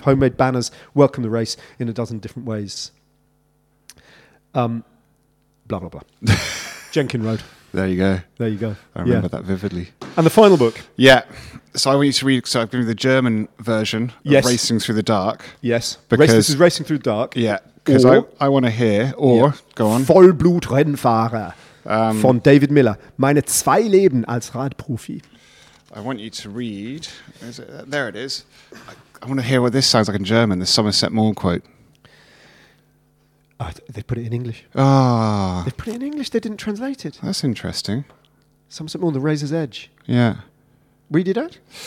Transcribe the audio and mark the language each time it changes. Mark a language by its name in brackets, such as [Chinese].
[English] Homemade banners welcomed the race in a dozen different ways. Blah blah blah. Jenkin Road. There you go. There you go. I remember that vividly. And the final book. Yeah. So I want you to read. So I've given you the German version of Racing Through the Dark. Yes. Because this is Racing Through the Dark. Yeah. Because I want to hear. Or go on. [German] Vollblutrennfahrer von David Miller. Meine zwei Leben als Radprofi. [English] I want you to read. There it is. I want to hear what this sounds like in German. The Somerset Maugham quote. They put it in English. Ah. They put it in English. They didn't translate it. That's interesting. Somerset Maugham, the razor's edge. Yeah. Read it out.